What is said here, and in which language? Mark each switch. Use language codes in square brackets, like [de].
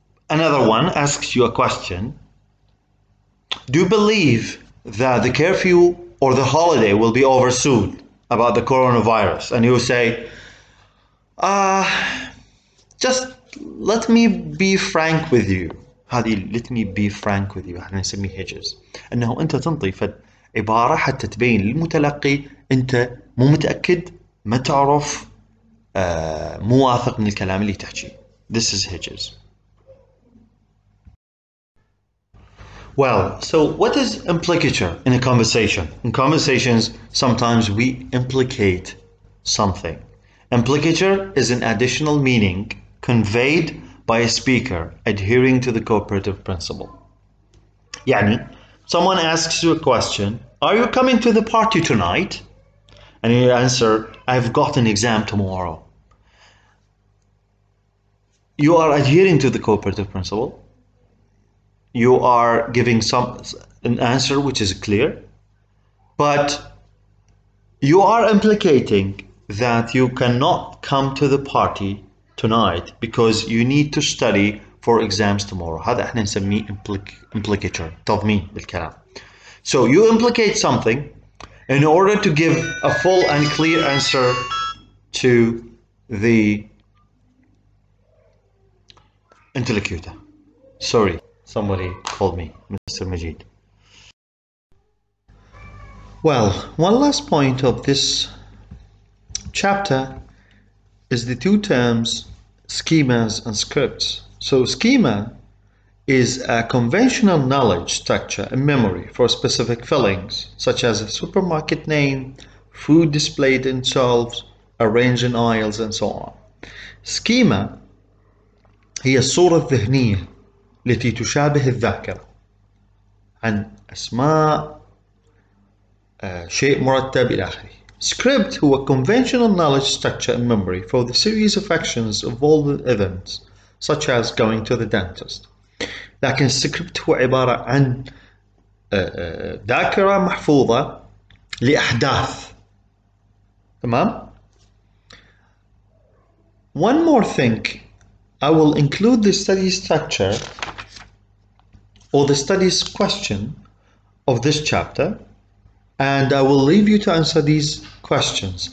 [en] Another one asks you a question. Do you believe that the curfew or the holiday will be over soon about the coronavirus. And you say, just let me be frank with you. هذه let me be frank with you [ar] احنا نسميه [en] hedges. [ar] انه انت تنطي فد عبارة حتى تبين للمتلقي انت مو متأكد ما تعرف مو واثق من الكلام اللي تحكي. [en] This is hedges. Well, so what is implicature in a conversation? In conversations, sometimes we implicate something. Implicature is an additional meaning conveyed by a speaker adhering to the cooperative principle. يعني, someone asks you a question, are you coming to the party tonight? And you answer, I've got an exam tomorrow. You are adhering to the cooperative principle. You are giving an answer which is clear, but you are implicating that you cannot come to the party tonight because you need to study for exams tomorrow. [ar] هذا احنا نسميه implicature, تضمين بالكلام. [en] So you implicate something in order to give a full and clear answer to the interlocutor. Sorry. Somebody called me, Mr. Majid. Well, one last point of this chapter is the two terms, schemas and scripts. So schema is a conventional knowledge structure in memory for specific fillings, such as a supermarket name, food displayed in shelves, arranged in aisles, and so on. [ar] Schema, هي الصورة الذهنية التي تشابه الذاكرة عن أسماء شيء مرتب إلى آخره. [en] Script [ar] هو [en] conventional knowledge structure in memory for the series of actions of all the events such as going to the dentist. [ar] لكن script هو عبارة عن ذاكرة محفوظة لأحداث. [en] تمام؟ One more thing, I will include the study structure or the study's question of this chapter, and I will leave you to answer these questions.